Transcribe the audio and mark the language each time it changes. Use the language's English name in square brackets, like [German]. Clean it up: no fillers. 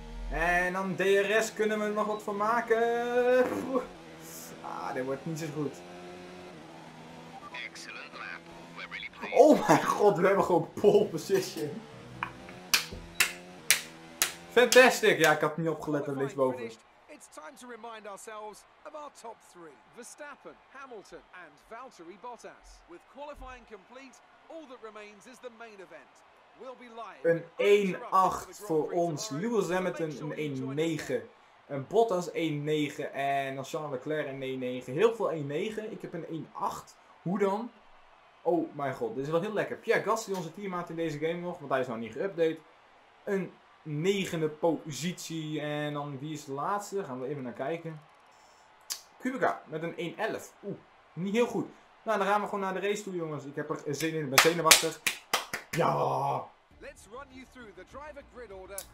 [Dutch] En dan DRS kunnen we er nog wat van maken. Ah, dit wordt niet zo goed. Oh mijn god, we hebben gewoon pole position. Fantastic! Ja, ik had niet opgelet op linksboven. [English] It's time to remind ourselves of our top three. Verstappen, Hamilton and Valtteri Bottas. With qualifying complete, all that remains is the main event. We'll be live. [Dutch] Een 1-8 voor ons. Lewis Hamilton een 1-9. Een Bottas 1-9. En dan Charles Leclerc een 1-9. Heel veel 1-9. Ik heb een 1-8. Hoe dan? Oh mijn god, dit is wel heel lekker. Pierre Gasly, onze teammaat in deze game nog, want hij is nog niet geüpdate. Een 9e positie. En dan wie is de laatste? Gaan we even naar kijken. Kubica met een 1-11. Oeh, niet heel goed. Nou, dan gaan we gewoon naar de race toe, jongens. Ik heb er zin in. Ik ben zenuwachtig. Ja! [English] Let's run you through the driver grid order.